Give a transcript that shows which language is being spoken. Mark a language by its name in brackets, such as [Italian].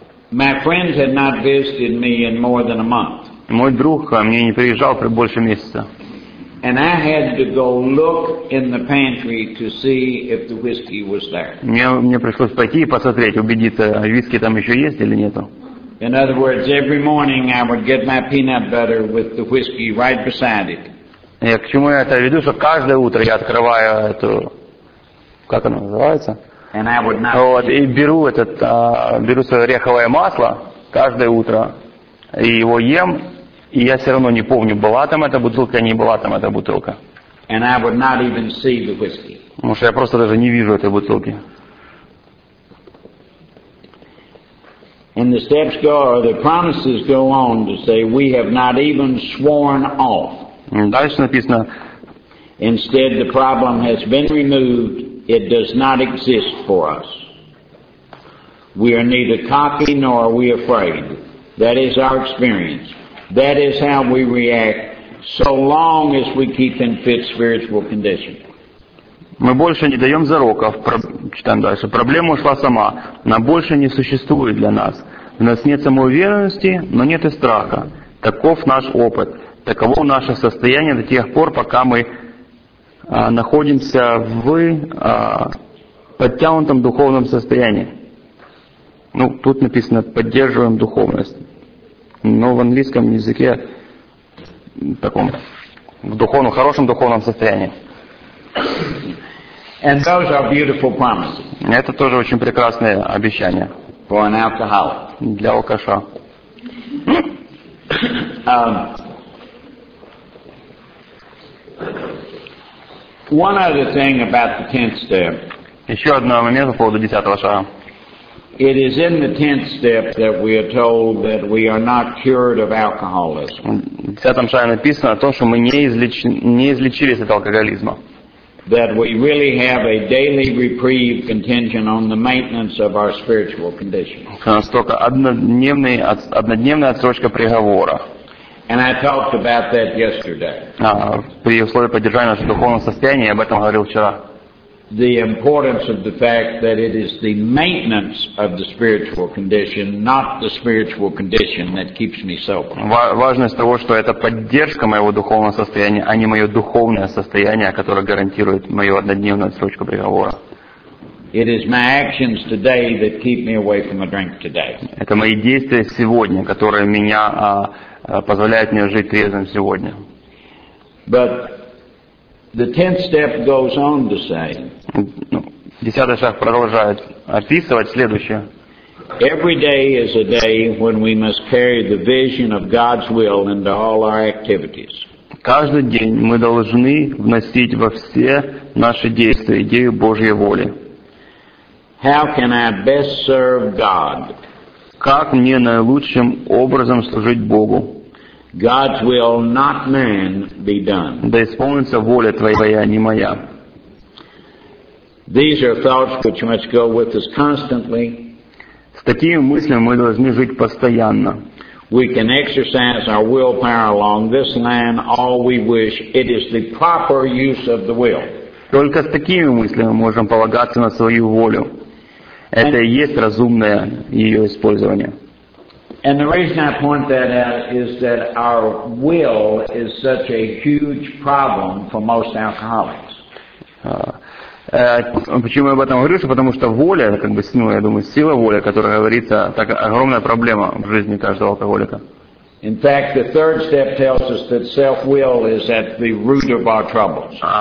[English] My friends had not visited me in more than a month. [Russian] Мой друг ко мне не приезжал больше месяца. [English] And I had to go look in the pantry to see if the whiskey was there. [Russian] Мне пришлось пойти и посмотреть, убедиться, виски там еще есть или нету. [English] In other words, every morning I would get my peanut butter with the whiskey right beside it. [Russian] Я к чему это веду, что каждое утро я открываю эту, как она называется? [English] And I would not. [Russian] Вот, и беру этот, беру свое ореховое масло каждое утро и его ем, и я все равно не помню, была там эта бутылка, не была там эта бутылка. [English] And I would not even see the whiskey. [Russian] Потому что я просто даже не вижу этой бутылки. [English] And the steps go, or the promises go on to say we have not even sworn off. [Russian] Дальше написано. [English] Instead, the problem has been removed. It does not exist for us. We are neither cocky nor are we afraid. That is our experience. That is how we react so long as we keep in fit spiritual condition. [Russian] Мы больше не даем зароков. Читаем дальше. Проблема ушла сама. Она больше не существует для нас. У нас нет самоуверенности, но нет и страха. Таков наш опыт. Таково наше состояние до тех пор, пока мы находимся в подтянутом духовном состоянии. Ну, тут написано «поддерживаем духовность». Но в английском языке в таком, в духовном, хорошем духовном состоянии. [English] And those are beautiful promises. [Russian] Это тоже очень прекрасное обещание. [English] For an alcoholic. [Russian] Для алкаша. [English] One other thing about the tenth step. [Russian] Еще одно момент по поводу десятого шага. [English] It is in the tenth step that we are told that we are not cured of alcoholism. [Russian] В десятом шаге написано о том, что мы не излечились от алкоголизма. [English] That we really have a daily reprieve contingent on the maintenance of our spiritual condition. [Russian] У нас только однодневная отсрочка приговора. [English] And I talked about that yesterday. [Russian] При условии поддержания нашего духовного состояния, я об этом говорил вчера. [English] The importance of the fact that it is the maintenance of the spiritual condition, not the spiritual condition, that keeps me sober. [Russian] Важность того, что это поддержка моего духовного состояния, а не мое духовное состояние, которое гарантирует мою однодневную отсрочку приговора. [English] It is my actions today that keep me away from a drink today. [Russian] Это мои действия сегодня, которые меня позволяет мне жить трезвым сегодня. [English] But the tenth step goes on to say. [Russian] Десятый шаг продолжает описывать следующее. [English] Every day is a day when we must carry the vision of God's will into all our activities. [Russian] Каждый день мы должны вносить во все наши действия идею Божьей воли. [English] How can I best serve God? [Russian] Как мне наилучшим образом служить Богу? [English] God's will, not man, be done. [Russian] Да исполнится воля Твоя, а не моя. [English] These are thoughts which must go with us constantly. [Russian] С такими мыслями мы должны жить постоянно. [English] We can exercise our willpower along this line all we wish. It is the proper use of the will. [Russian] Только с такими мыслями мы можем полагаться на свою волю. Это и есть разумное ее использование. And the reason I point that out is that our will is such a huge problem for most alcoholics. Почему я об этом говорю? Потому что воля, как бы, ну, я думаю, сила воли, которая говорится, так огромная проблема в жизни каждого алкоголика. [English] In fact, the third step tells us that self-will is at the root of our troubles.